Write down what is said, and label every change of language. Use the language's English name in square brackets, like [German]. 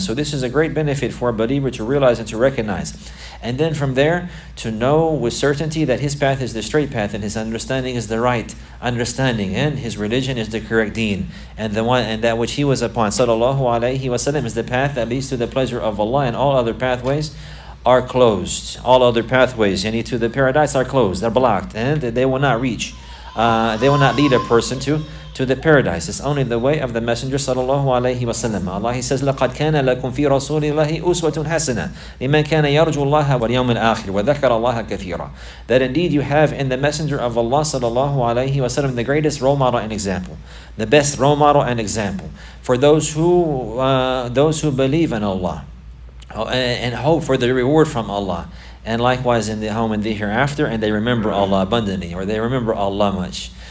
[English] So this is a great benefit for a believer to realize and to recognize, and then from there to know with certainty that his path is the straight path, and his understanding is the right understanding, and his religion is the correct deen, and the one and that which he was upon sallallahu alayhi wa sallam is the path that leads to the pleasure of Allah, and all other pathways are closed. All other pathways, any to the paradise, are closed. They're blocked, and they will not reach. They will not lead a person to the paradise. It's only the way of the Messenger sallallahu alayhi wa sallam. Allah, He says, [Arabic] لَقَدْ كَانَ لَكُمْ فِي رَسُولِ اللَّهِ أُسْوَةٌ حَسَنَةٌ لِمَنْ كَانَ يَرْجُو اللَّهَ وَالْيَوْمَ الْآخِرِ وَذَكَرَ اللَّهَ كَثِيرًا. [English] That indeed you have in the Messenger of Allah sallallahu alayhi wa sallam the greatest role model and example. The best role model and example for those who believe in Allah and hope for the reward from Allah, and likewise in the home and the hereafter, and they remember Allah abundantly, or they remember Allah much.